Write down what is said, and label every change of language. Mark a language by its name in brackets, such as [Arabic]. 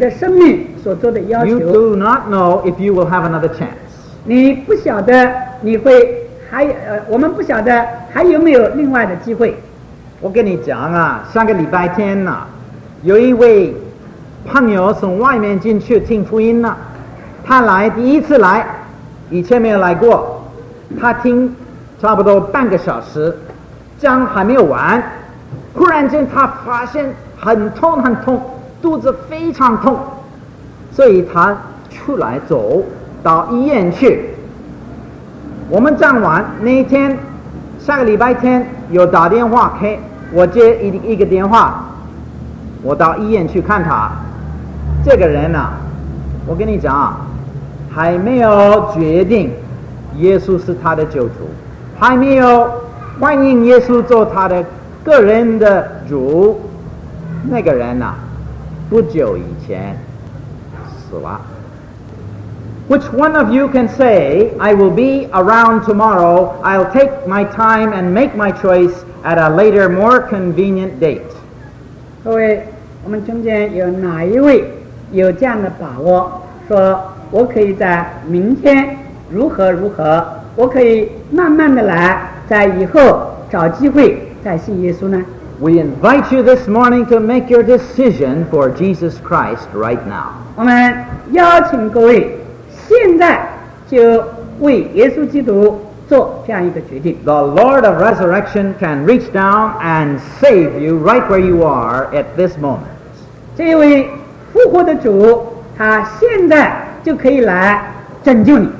[English] You do not know if you will have another chance. [Chinese] 你不晓得你会还，我们不晓得还有没有另外的机会。我跟你讲啊，上个礼拜天呢，有一位朋友从外面进去听福音呢，他来第一次来，以前没有来过，他听差不多半个小时，姜还没有完，忽然间他发现很痛很痛，肚子非常痛。所以他出来走到医院去, 我们站完那一天，下个礼拜天有打电话给我，接一个电话，我到医院去看他。这个人啊，我跟你讲啊，还没有决定耶稣是他的救主，还没有欢迎耶稣做他的个人的主。那个人啊，不久以前死了。 [English] Which one of you can say, I will be around tomorrow, I'll take my time and make my choice at a later, more convenient date? [Chinese] 各位，我们中间有哪一位有这样的把握，说我可以在明天如何如何，我可以慢慢的来，在以后找机会再信耶稣呢？ [English] We invite you this morning to make your decision for Jesus Christ right now. [Chinese] 我们邀请各位现在就为耶稣基督做这样一个决定。 [English] The Lord of Resurrection can reach down and save you right where you are at this moment. [Chinese] 这位复活的主，他现在就可以来拯救你。